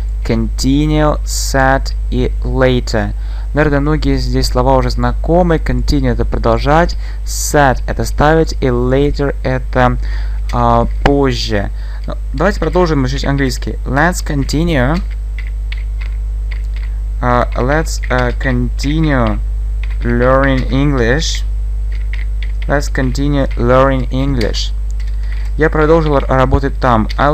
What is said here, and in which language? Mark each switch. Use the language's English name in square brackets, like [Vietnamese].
[English] Continue, set [Russian] и [English] later. [Russian] Наверное, многие здесь слова уже знакомы. Continue – это продолжать. Set – это ставить. И later – это позже. Но давайте продолжим учить английский. [English] Let's continue. Let's continue learning English. Let's continue learning English. [Russian] Я продолжил работать там.